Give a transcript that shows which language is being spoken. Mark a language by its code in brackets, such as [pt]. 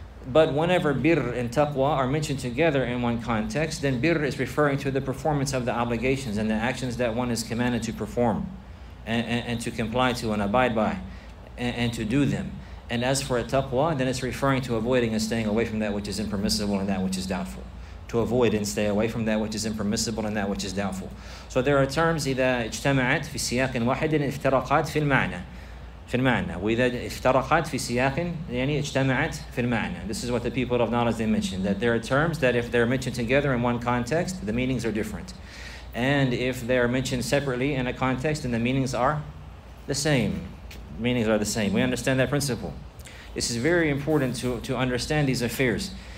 [en] But whenever birr and taqwa are mentioned together in one context, then birr is referring to the performance of the obligations and the actions that one is commanded to perform and to comply to and abide by. And to do them. And as for a taqwa, then it's referring to avoiding and staying away from that which is impermissible and that which is doubtful. To avoid and stay away from that which is impermissible and that which is doubtful. So there are terms, [ar] إذا اجتمعت في سياق واحد افترقت في المعنى. في المعنى. وإذا افترقت في سياق يعني اجتمعت في المعنى. [en] This is what the people of knowledge, they mentioned. That there are terms that if they're mentioned together in one context, the meanings are different. And if they're mentioned separately in a context, then the meanings are the same. Meanings are the same. We understand that principle. This is very important to understand these affairs.